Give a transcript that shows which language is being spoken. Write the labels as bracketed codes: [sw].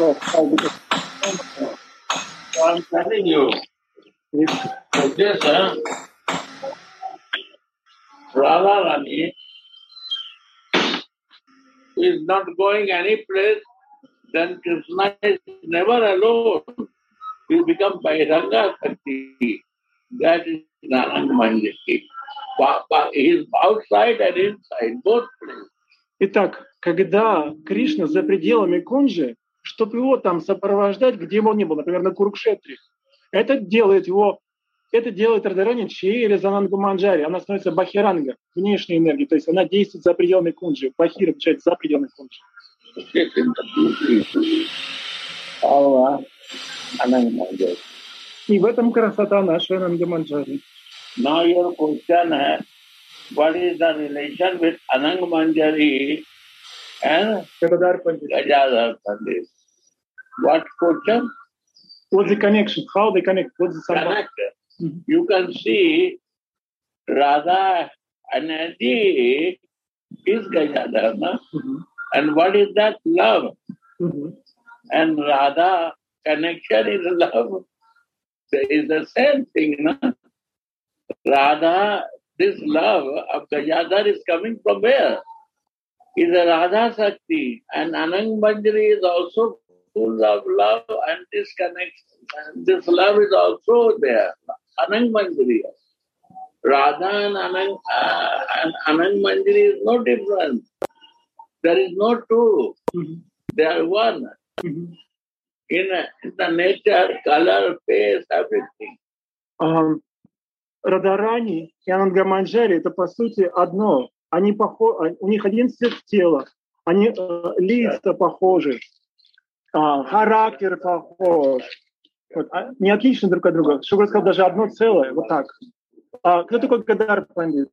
[en] So I'm telling you, this, Radha Rani is not going any place, then Krishna is never alone. He become Bhairanga Sakti. That is Nanang Manjari. He is outside and inside, both places. [ru] Итак, когда Кришна за пределами Кунджи, чтобы его там сопровождать, где бы он ни был, например, на Курукшетре, это делает Радарани через Ананга Манджари. Она становится Бахиранга, внешней энергией. То есть она действует за пределами Кунджи. Бахира получается за пределами Кунджи. И в этом красота нашей Ананга Манджари. [en] Now your question is, what is the relation with Ананга Манджари and Gadadhar Pandit? Gadadhar Pandit. What question? What's the connection? How they connect? What's the connect? Mm-hmm. You can see Radha energy is Gadadhar, no? Mm-hmm. And what is that love? Mm-hmm. And Radha connection is love. It is the same thing, no? Radha, this love of Gajadhar is coming from where? Is a Radha Sakti. And Anang Manjari is also full of love and this connection. And this love is also there. Anang Manjari. Radha and Anang Manjari is no different. There is no two. They are one. In the nature, color, face, everything. [ru] Радарани и Ананга Манджари — это по сути одно. Они у них один цвет тела. Они лица похожи. Характер похож. Вот, не отличны друг от друга. Шугар сказал, даже одно целое. Вот так. Кто такой Гадар Пандит?